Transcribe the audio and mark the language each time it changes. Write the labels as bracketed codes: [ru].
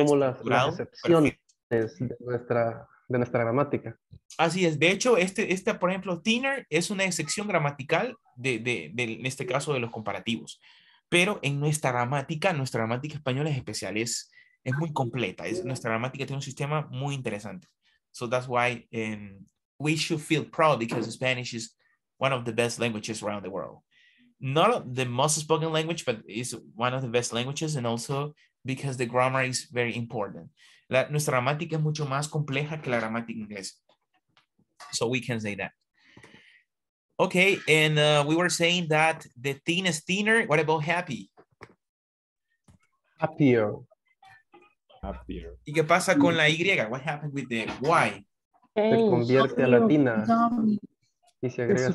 [es] estructurado. Son como las excepciones de nuestra gramática. Así es. De hecho, este por ejemplo, thinner es una excepción gramatical, de en este caso, de los comparativos. Pero en nuestra gramática española es especial, es muy completa. Nuestra gramática tiene un sistema muy interesante. [en] So that's why we should feel proud because Spanish is one of the best languages around the world. Not the most spoken language, but it's one of the best languages and also because the grammar is very important. [es] Nuestra gramática es mucho más compleja que la gramática inglesa. [en] So we can say that. Okay, and we were saying that the thin is thinner. What about happy? Happier. [es] ¿Y qué pasa con la Y? [en] What happened with the Y? [es] Se convierte a latina. Y se agrega